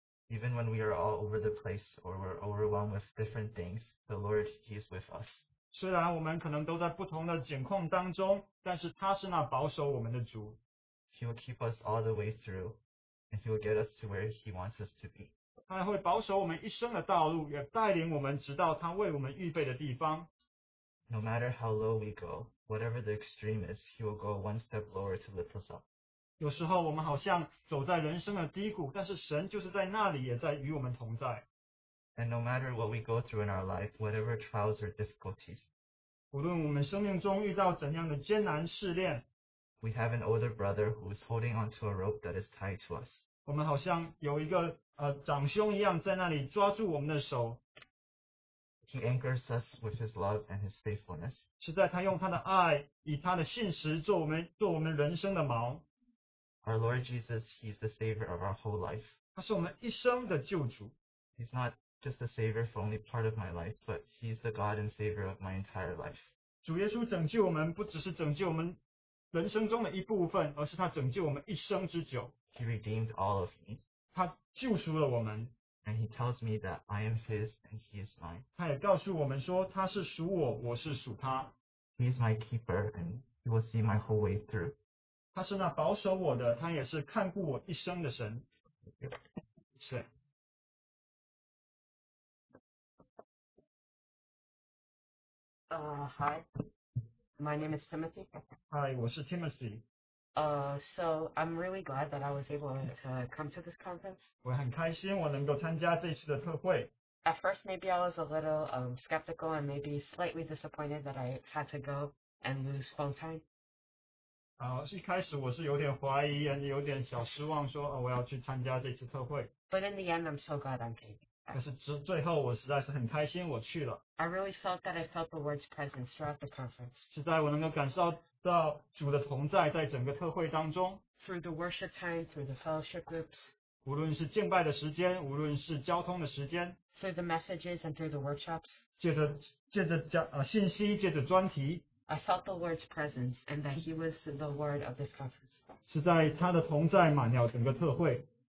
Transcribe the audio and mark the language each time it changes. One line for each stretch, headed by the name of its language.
English: Even when we are all over the place or we're overwhelmed with different things, the Lord, He is with us.
Chinese: 虽然我们可能都在不同的境况当中，但是他是那保守我们的主。
English: He will keep us all the way through, and He will get us to where He wants us to be.
Chinese: 他会保守我们一生的道路，也带领我们直到他为我们预备的地方。
English: No matter how low we go, whatever the extreme is, He will go one step lower to lift us up.
Chinese: 有时候我们好像走在人生的低谷，但是神就是在那里，也在与我们同在。
English: And no matter what we go through in our life, whatever trials or difficulties,
Chinese: 无论我们生命中遇到怎样的艰难试炼,
English: we have an older brother who is holding onto a rope that is tied to us.
Chinese: 我们好像有一个, 长兄一样在那里抓住我们的手。
English: He anchors us with his love and his faithfulness.
Chinese: 实在他用他的爱, 以他的信实做我们人生的锚。
English: Our Lord Jesus, he's the savior of our whole life.
Chinese: 他是我们一生的救主。
English: He's not just the savior for only part of my life, but he's the God and savior of my entire life.
Chinese: 主耶稣拯救我们不只是拯救我们人生中的一部分，而是他拯救我们一生之久。
English: He redeemed all of me.
Chinese: 他救赎了我们。
English: And he tells me that I am his and he is mine.
Chinese: 他也告诉我们说他是属我，我是属他。
English: He is my keeper and he will see my whole way through.
Chinese: 他是那保守我的，他也是看顾我一生的神。是。
English: Hi, my name is Timothy. Hi,
Chinese: 我是Timothy.
English: So I'm really glad that I was able to come to this conference.
Chinese: 我很开心我能够参加这次的特会。
English: At first, maybe I was a little skeptical and maybe slightly disappointed that I had to go and lose phone time.
Chinese: 一开始我是有点怀疑，有点小失望，说我要去参加这次特会。
English: But in the end, I'm so glad I'm here.
Chinese: 可是最后我实在是很开心我去了。
English: I really felt that I felt the Lord's presence throughout the conference.
Chinese: 实在我能够感受到主的同在在整个特会当中。
English: Through the worship time, through the fellowship groups.
Chinese: 无论是敬拜的时间，无论是交通的时间。
English: Through the messages and through the workshops.
Chinese: 借着信息，借着专题。
English: I felt the Lord's presence and that He was the Lord of this conference.
Chinese: 实在他的同在满了整个特会。